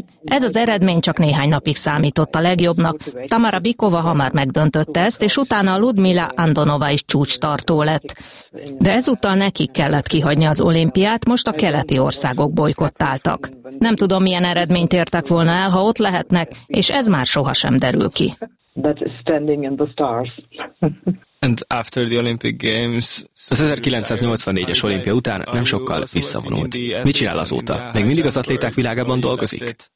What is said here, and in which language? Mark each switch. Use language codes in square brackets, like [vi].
[hu] Ez az eredmény csak néhány napig számított a legjobbnak. Tamara Bikova hamar megdöntötte ezt, és utána Ludmila Andonova is csúcstartó lett. De ezúttal nekik kellett kihagyni az olimpiát, most a keleti országok bojkottáltak. Nem tudom, milyen eredményt értek volna el, ha ott lehetnek, és ez már sohasem derül ki. [en] That is standing in the stars. And after the Olympic Games, [hu] az 1984-es olimpia után nem sokkal visszavonult. Mit csinál azóta? Még mindig az atléták világában dolgozik?